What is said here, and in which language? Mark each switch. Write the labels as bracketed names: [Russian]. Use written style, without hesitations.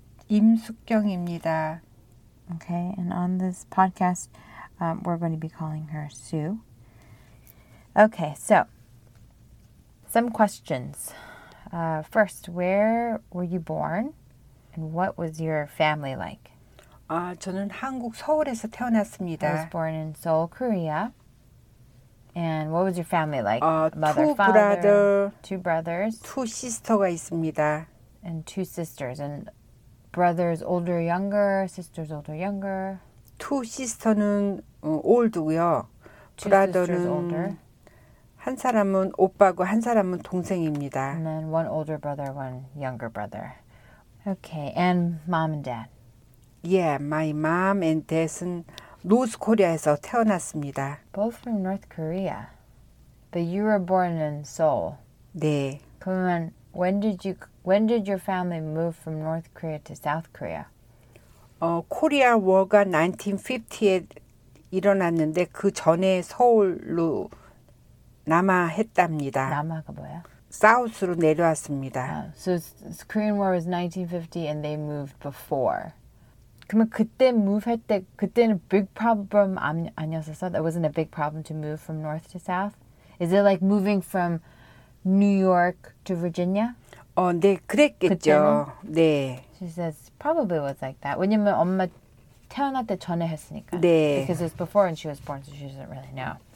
[Korean] 임숙경입니다. [English] Okay, and on this podcast, we're going to be calling her Sue. Okay, so some questions. First, where were you born, and what was your family like? [Korean] 저는 한국 서울에서 태어났습니다. [English] I was born in Seoul, Korea. And what was your family like? Mother, two father, brother, two brothers, two sisters [Korean] 가 있습니다. [English] And two sisters, and brothers older, younger, sisters older, younger. Two sisters는 old고요. Two brother는 sisters older. [Korean] 한 사람은 오빠고 한 사람은 동생입니다. [English] And then one older brother, one younger brother. Okay, and mom and dad. Yeah, my mom and dad은 North Korea에서 [Korean] 태어났습니다. [English] Both from North Korea, but you were born in Seoul. [Korean] 네. 그러면 [English] when did your family move from North Korea to South Korea? Korea War [Korean] 가 1950에 일어났는데 그 전에 서울로 남아했답니다. 남아가 뭐야? South로 내려왔습니다. [English] So Korean War was 1950 and they moved before. [Korean] 그러면 그때 move할 때 그때는 [English] big problem [Korean] 아니었었어? [English] That wasn't a big problem to move from north to south? Is it like moving from New York to Virginia? [Korean] 네, 그랬겠죠. 그때는? 네. [English] She says probably was like that. [Korean] 왜냐면 엄마 태어날 때 전에 했으니까. 네. [English] Because it was before and she was born, so she doesn't really know.